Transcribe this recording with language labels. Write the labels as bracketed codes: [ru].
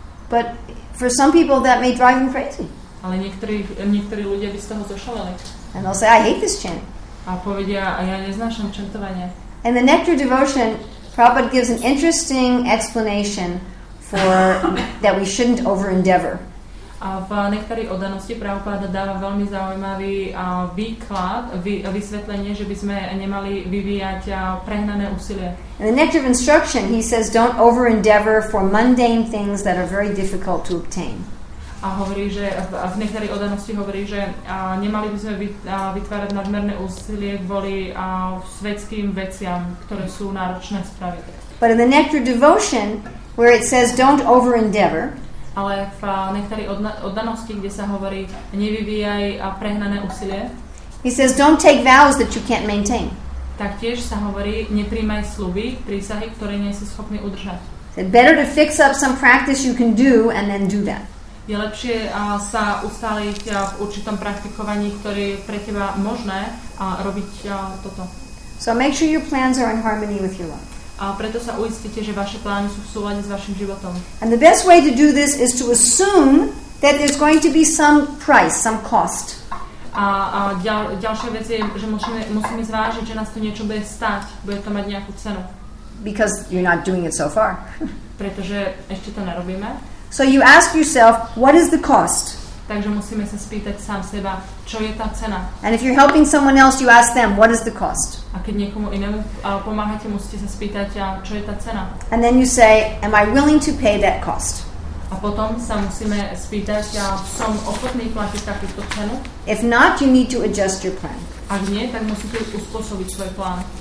[en] But for some people that may drive them crazy. [sk] Ale niektorí ľudia by z toho zošaleli. [en] And they'll say, I hate this chant. [sk] A povedia, a ja neznášam čantovanie. [en] In the Nectar Devotion, Prabhupada gives an interesting explanation for that we shouldn't over-endeavor. [sk] A v Nektari oddanosti Prabhupada dáva veľmi zaujímavý výklad, vysvetlenie, že by sme nemali vyvíjať prehnané úsilie. [en] In the Nectar of Instruction, he says, don't over-endeavor for mundane things that are very difficult to obtain. [sk] A hovorí, že v Nektari oddanosti hovorí, že nemali by sme vytvárať nadmerné úsilie kvôli svetským veciam, ktoré sú náročné spraviť. [en] But in the Nectar Devotion, where it says don't over-endeavor, [sk] ale v Nektari oddanosti, kde sa hovorí, nevyvíjaj prehnané úsilie, [en] he says don't take vows that you can't maintain. [sk] Taktiež sa hovorí, nepríjmaj sľuby, prísahy, ktoré nie si schopný udržať. [en] It's better to fix up some practice you can do and then do that. [sk] Je lepšie sa ustáliť v určitom praktikovaní, ktoré je pre teba možné, a robiť toto. [en] So make sure your plans are in harmony with your life. [sk] A preto sa uistite, že vaše plány sú v súlade s vašim životom. [en] And the best way to do this is to assume that there's going to be some price, some cost. [sk] A ďalšia vec je, že musíme zvážiť, že nás to niečo bude stať, bude to mať nejakú cenu. [en] Because you're not doing it so far. [sk] Pretože ešte to nerobíme. [en] So you ask yourself, what is the cost? [sk] Takže musíme sa spýtať sám seba, čo je tá cena. [en] And if you're helping someone else, you ask them, what is the cost? [sk] A keď niekomu inému pomáhate, musíte sa spýtať, čo je tá cena. [en] And then you say, am I willing to pay that cost? [sk] A potom sa musíme spýtať, som ochotný platiť takúto cenu? [en] If not, you need to adjust your plan. [sk] Ak nie, tak musíte uspôsobiť svoj plán.